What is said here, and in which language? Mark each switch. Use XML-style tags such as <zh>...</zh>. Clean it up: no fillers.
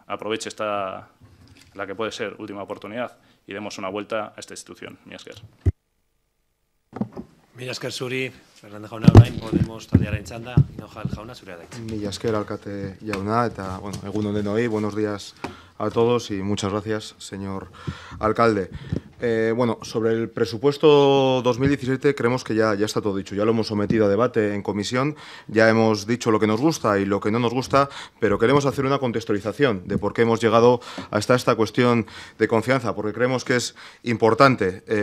<es>Aproveche esta, la que puede ser última oportunidad, y demos una vuelta a esta institución.</es> <eu>Miesker. Miesker zuri, Fernando Jauna, orain Podemos taldearen txanda, Hinojal Jauna, zurea da. Miesker alkate jauna, eta,</eu> <es>bueno,</es> <eu>egun onden</eu> <es>hoy, buenos días a todos y muchas gracias, señor alcalde. Bueno, sobre el presupuesto 2017 creemos que ya está todo dicho, ya lo hemos sometido a debate en comisión, ya hemos dicho lo que nos gusta y lo que no nos gusta, pero queremos hacer una contextualización de por qué hemos llegado hasta esta cuestión de confianza, porque creemos que es importante.</es>